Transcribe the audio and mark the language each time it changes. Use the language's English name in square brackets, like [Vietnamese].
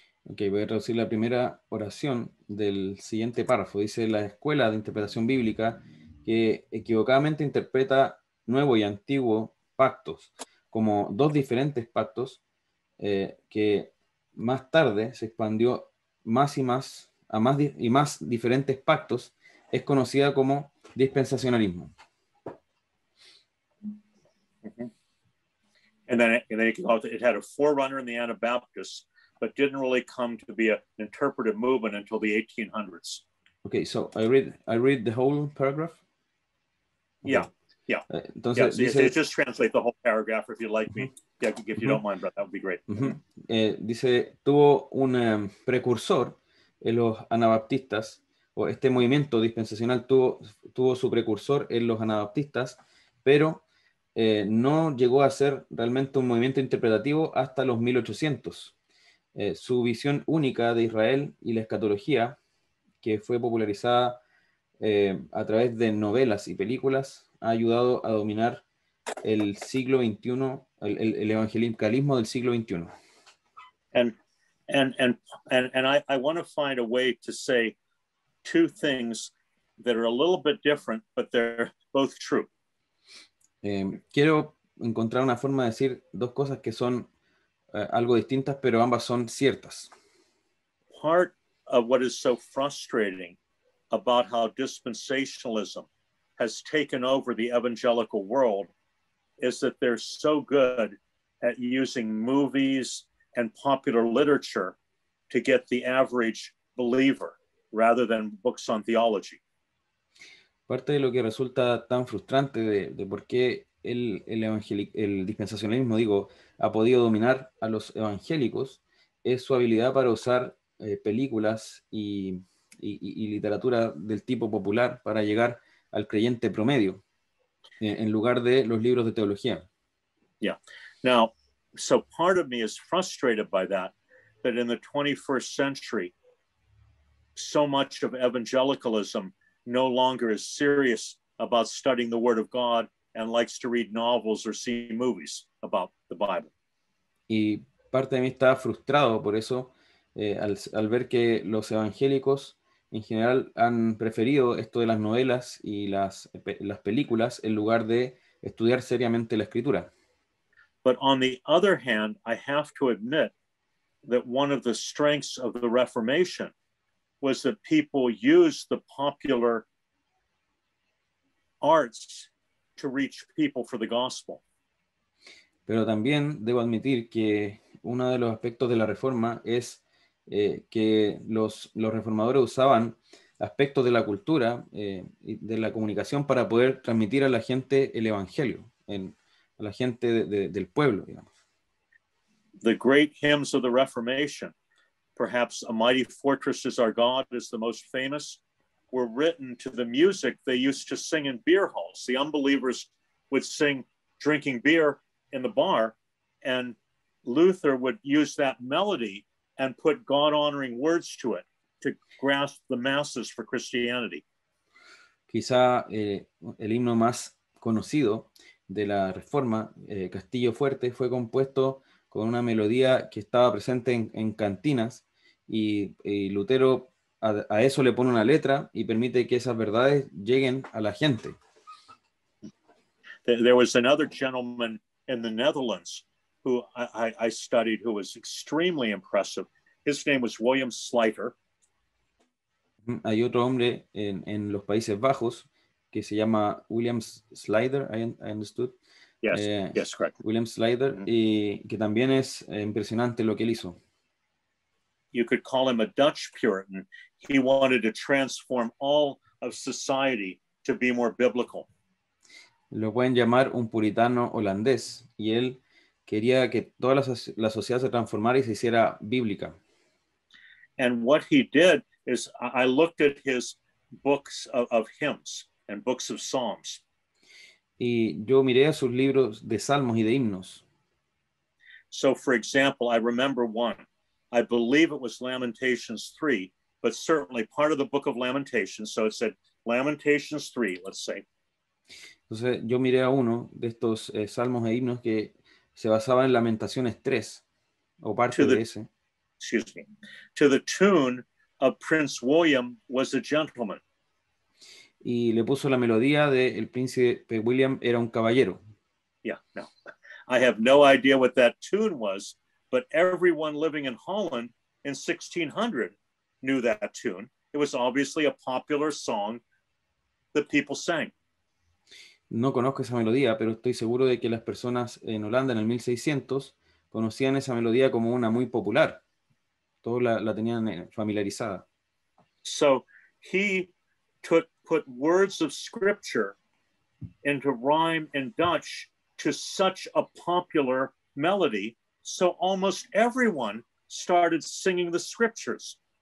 [Spanish] Okay, voy a traducir la primera oración del siguiente párrafo. Dice, la escuela de interpretación bíblica que equivocadamente interpreta nuevo y antiguo pactos como dos diferentes pactos que más tarde se expandió más y más a más y más diferentes pactos, es conocida como dispensacionalismo. [English] And then it had a forerunner in the Anabaptists, but didn't really come to be an interpretive movement until the 1800s. Okay, so I read the whole paragraph. Okay. Yeah. Yeah. [Spanish] Entonces, [English] just translate the whole paragraph if you'd like me. Yeah, if you don't mind, brother, that would be great. [Spanish] Dice, tuvo un precursor en los anabaptistas, o este movimiento dispensacional tuvo su precursor en los anabaptistas, pero no llegó a ser realmente un movimiento interpretativo hasta los 1800. Su visión única de Israel y la escatología, que fue popularizada a través de novelas y películas, ha ayudado a dominar el siglo XXI, el evangelicalismo del siglo XXI. [English] And I want to find a way to say two things that are a little bit different, but they're both true. [Spanish] Quiero encontrar una forma de decir dos cosas que son algo distintas, pero ambas son ciertas. [English] Part of what is so frustrating about how dispensationalism has taken over the evangelical world is that they're so good at using movies and popular literature to get the average believer rather than books on theology. [Spanish] Parte de lo que resulta tan frustrante de por qué el dispensacionalismo, digo, ha podido dominar a los evangélicos es su habilidad para usar películas y literatura del tipo popular para llegar al creyente promedio en lugar de los libros de teología. [English] Yeah. Now, so part of me is frustrated by that, that in the 21st century, so much of evangelicalism no longer is serious about studying the Word of God and likes to read novels or see movies about the Bible. [Spanish] Y parte de mí está frustrado por eso, al ver que los evangélicos en general han preferido esto de las novelas y las películas en lugar de estudiar seriamente la escritura. [English] But on the other hand, I have to admit that one of the strengths of the Reformation was that people used the popular arts to reach people for the gospel. [Spanish] Pero también debo admitir que uno de los aspectos de la Reforma es que los reformadores usaban aspectos de la cultura y de la comunicación para poder transmitir a la gente el evangelio, a la gente del pueblo, digamos. [English] The great hymns of the Reformation, perhaps "A Mighty Fortress Is Our God" is the most famous, were written to the music they used to sing in beer halls. The unbelievers would sing drinking beer in the bar, and Luther would use that melody and put God-honoring words to it to grasp the masses for Christianity. [Spanish] Quizá el himno más conocido de la Reforma, Castillo Fuerte, fue compuesto con una melodía que estaba presente en cantinas, y Lutero a eso le pone una letra y permite que esas verdades lleguen a la gente. [English] There was another gentleman in the Netherlands who I studied who was extremely impressive. His name was William Slater. [Spanish] Hay otro hombre en los Países Bajos que se llama William Slater, [English] I understood. Yes, correct. [Spanish] William Slater, mm-hmm. Y que también es impresionante lo que él hizo. [English] You could call him a Dutch Puritan. He wanted to transform all of society to be more biblical. [Spanish] Lo pueden llamar un puritano holandés, y él quería que toda la sociedad se transformara y se hiciera bíblica. [English] And what he did is, I looked at his books of hymns and books of psalms. [Spanish] Y yo miré a sus libros de salmos y de himnos. [English] So, for example, I remember one. I believe it was Lamentations 3, but certainly part of the book of Lamentations. So it said Lamentations 3, let's say. [Spanish] Entonces, yo miré a uno de estos salmos e himnos que se basaba en Lamentaciones 3, o parte de ese. [English] Excuse me. To the tune of Prince William Was a Gentleman. [Spanish] Y le puso la melodía de El Príncipe William Era un Caballero. [English] Yeah, no. I have no idea what that tune was, but everyone living in Holland in 1600 knew that tune. It was obviously a popular song that people sang. [Spanish] No conozco esa melodía, pero estoy seguro de que las personas en Holanda en el 1600 conocían esa melodía como una muy popular. Todos la tenían familiarizada. [English] So he put words of scripture into rhyme in Dutch to such a popular melody, so almost everyone started singing the scriptures.